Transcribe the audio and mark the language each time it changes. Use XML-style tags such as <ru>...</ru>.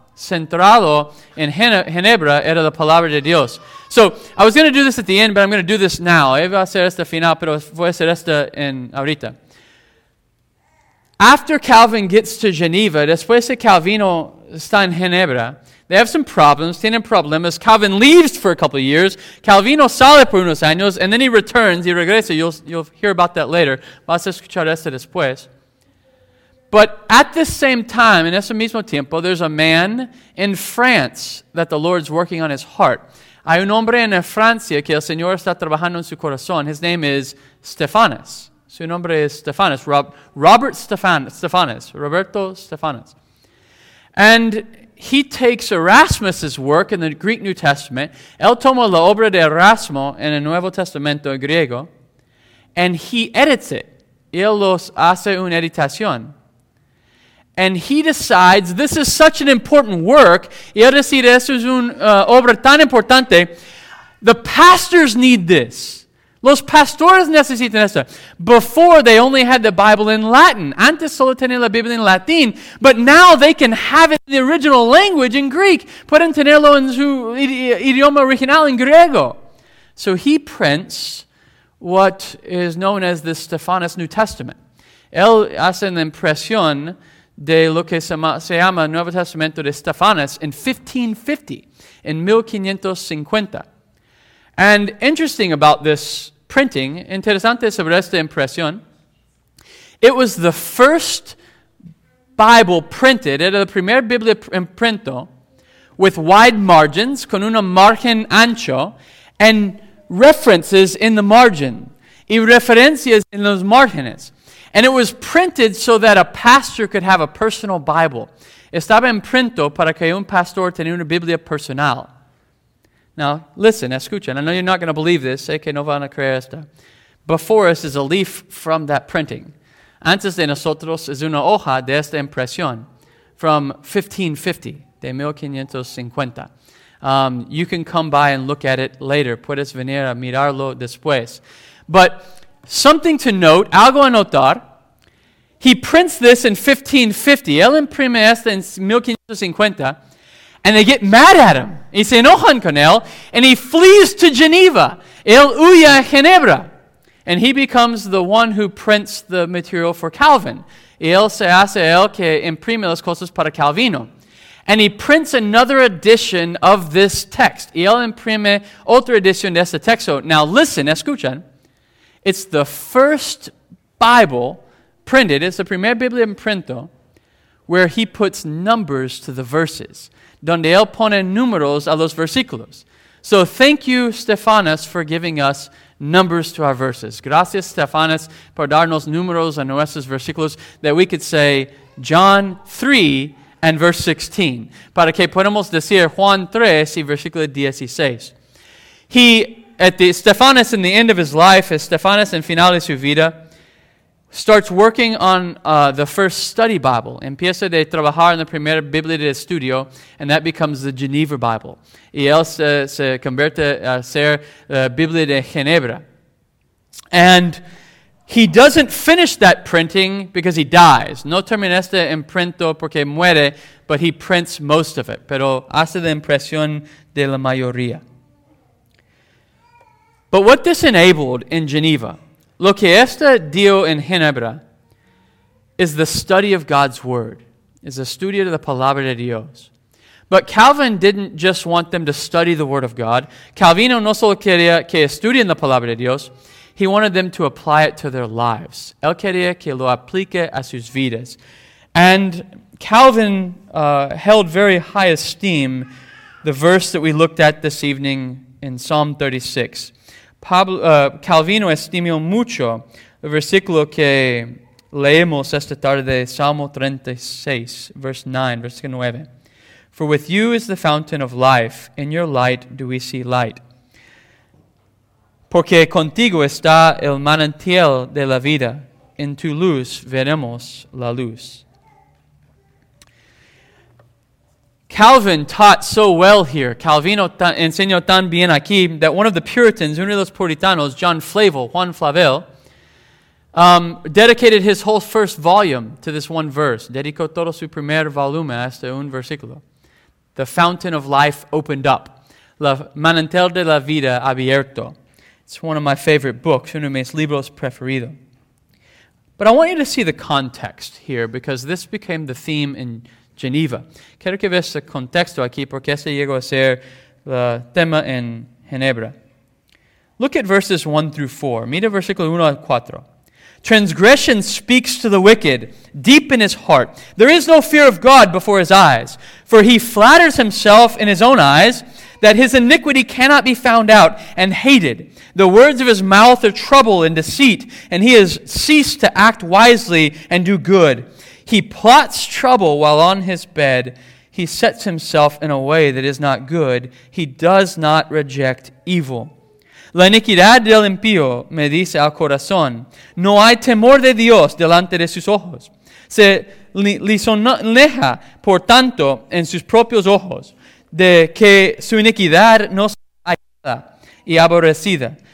<es>Centrado en Ginebra era la palabra de Dios.</es> <en>So, I was going to do this at the end, but I'm going to do this now.</en> <es>Iba a hacer esta final, pero voy a hacer esta en ahorita.</es> <en>After Calvin gets to Geneva,</en> <es>después de Calvino está en Ginebra,</es> <en>they have some problems,</en> <es>tienen problemas.</es> <en>Calvin leaves for a couple of years.</en> <es>Calvino sale por unos años,</es> <en>and then he returns,</en> <es>he regresa.</es> <en>You'll hear about that later.</en> <es>Vas a escuchar esto después.</es> <en>But at the same time,</en> <es>en ese mismo tiempo,</es> <en>there's a man in France that the Lord's working on his heart.</en> <es>Hay un hombre en Francia que el Señor está trabajando en su corazón.</es> <en>His name is Stephanus.</en> <es>Su nombre es Stephanus, Roberto Stephanus.</es> <en>And he takes Erasmus's work in the Greek New Testament,</en> <es>él toma la obra de Erasmo en el Nuevo Testamento griego,</es> <en>and he edits it.</en> <es>Él los hace una editación.</es> <en>And he decides, this is such an important work,</en> <es>y él decide, esto es una obra tan importante,</es> <en>the pastors need this.</en> <es>Los pastores necesitan esto.</es> <en>Before, they only had the Bible in Latin.</en> <es>Antes solo tenían la Biblia en latín.</es> <en>But now they can have it in the original language in Greek.</en> <es>Pueden tenerlo en su idioma original en griego.</es> <en>So he prints what is known as the Stephanus New Testament.</en> <es>Él hace la impresión de lo que se llama Nuevo Testamento de Stephanus</es> <en>in 1550,</en> <es>in 1550.</es> <en>And interesting about this printing,</en> <es>interesante sobre esta impresión,</es> <en>it was the first Bible printed,</en> <es>era la primera Biblia imprinto,</es> <en>with wide margins,</en> <es>con una margen ancho,</es> <en>and references in the margin,</en> <es>y referencias en los márgenes.</es> <en>And it was printed so that a pastor could have a personal Bible.</en> <es>Estaba imprinto para que un pastor tenía una Biblia personal.</es> <en>Now, listen,</en> <es>escuchen.</es> <en>I know you're not going to believe this.</en> <es>Sé que no van a creer esto.</es> <en>Before us is a leaf from that printing.</en> <es>Antes de nosotros es una hoja de esta impresión</es> <en>from 1550,</en> <es>de 1550.</es> <en>You can come by and look at it later.</en> <es>Puedes venir a mirarlo después.</es> <en>But something to note,</en> <es>algo a notar,</es> <en>he prints this in 1550.</en> <es>Él imprime esta en 1550.</es> <en>And they get mad at him.</en> <es>Y se enojan con él.</es> <en>And he flees to Geneva.</en> <es>Él huye a Ginebra.</es> <en>And he becomes the one who prints the material for Calvin.</en> <es>Y él se hace el que imprime las cosas para Calvino.</es> <en>And he prints another edition of this text.</en> <es>Y él imprime otra edición de este texto.</es> <en>Now listen,</en> <es>escuchen.</es> <en>It's the first Bible printed. It's the</en> <es>primer Biblia imprinto</es> <en>where he puts numbers to the verses.</en> <es>Donde él pone números a los versículos.</es> <en>So thank you, Stefanos, for giving us numbers to our verses.</en> <es>Gracias, Stefanos, por darnos números a nuestros versículos</es> <en>that we could say John 3 and verse 16.</en> <es>Para que podamos decir Juan 3 y versículo 16.</es> <en>He, at the Stefanos in the end of his life,</en> <es>Stefanos en final de su vida,</es> <en>starts working on the first study Bible.</en> <es>Empieza de trabajar en la primera Biblia de estudio,</es> <en>and that becomes the Geneva Bible.</en> <es>Y él se convierte a ser Biblia de Ginebra.</es> <en>And he doesn't finish that printing because he dies.</en> <es>No termina este imprinto porque muere,</es> <en>but he prints most of it.</en> <es>Pero hace la impresión de la mayoría.</es> <en>But what this enabled in Geneva,</en> <es>lo que esta dio en Ginebra,</es> <en>is the study of God's Word, is</en> <es>a estudio de la Palabra de Dios.</es> <en>But Calvin didn't just want them to study the Word of God.</en> <es>Calvino no solo quería que estudien la Palabra de Dios,</es> <en>he wanted them to apply it to their lives.</en> <es>Él quería que lo aplique a sus vidas.</es> <en>And Calvin held very high esteem the verse that we looked at this evening in Psalm 36.</en> <es>Calvino estimó mucho el versículo que leemos esta tarde de Salmo 36,</es> <en>verse 9,</en> <es>versículo 9.</es> <en>For with you is the fountain of life, in your light do we see light.</en> <es>Porque contigo está el manantial de la vida, en tu luz veremos la luz.</es> <en>Calvin taught so well here,</en> <es>Calvino enseñó tan bien aquí,</es> <en>that one of the Puritans,</en> <es>uno de los puritanos,</es> <en>Juan Flavel, dedicated his whole first volume to this one verse.</en> <es>Dedicó todo su primer volumen a este un versículo.</es> <en>The fountain of life opened up.</en> <es>La manantial de la vida abierto.</es> <en>It's one of my favorite books,</en> <es>uno de mis libros preferidos.</es> <en>But I want you to see the context here, because this became the theme in Geneva.</en> <es>Quiero que veas el contexto aquí porque este llegó a ser el tema en Ginebra.</es> <en>Look at verses 1 through 4.</en> <es>Mira versículo 1 al 4.</es> <en>Transgression speaks to the wicked deep in his heart. There is no fear of God before his eyes. For he flatters himself in his own eyes that his iniquity cannot be found out and hated. The words of his mouth are trouble and deceit, and he has ceased to act wisely and do good. He plots trouble while on his bed. He sets himself in a way that is not good. He does not reject evil.</en> <es>La iniquidad del impío me dice al corazón. No hay temor de Dios delante de sus ojos. Se lisonja, por tanto, en sus propios ojos, de que su iniquidad no sea hallada y aborrecida.</es>